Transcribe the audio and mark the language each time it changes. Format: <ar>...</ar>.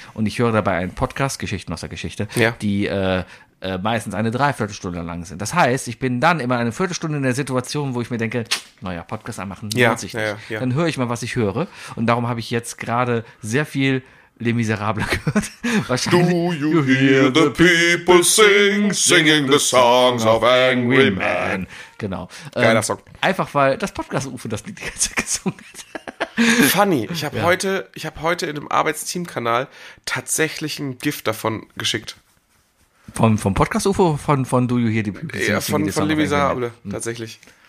<de>Und ich höre dabei einen Podcast, Geschichten aus der Geschichte, die meistens eine Dreiviertelstunde lang sind. Das heißt, ich bin dann immer eine Viertelstunde in der Situation, wo ich mir denke, naja, Podcast anmachen, lohnt sich nicht. Ja, ja. Dann höre ich mal, was ich höre. Und darum habe ich jetzt gerade sehr viel Les Miserables gehört. Wahrscheinlich.</de> <en>Do you hear the people singing the songs of angry men?</en> <de>Genau. Geiler Song. Einfach weil das Podcast-Ufe das Lied die ganze Zeit gesungen hat. Funny, ich habe heute in einem Arbeitsteam-Kanal tatsächlich ein GIF davon geschickt. Vom Podcast-Ufe oder von</de> <en>Do you hear the people</en> <de>singing? Ja, von Les Miserables, tatsächlich.</de>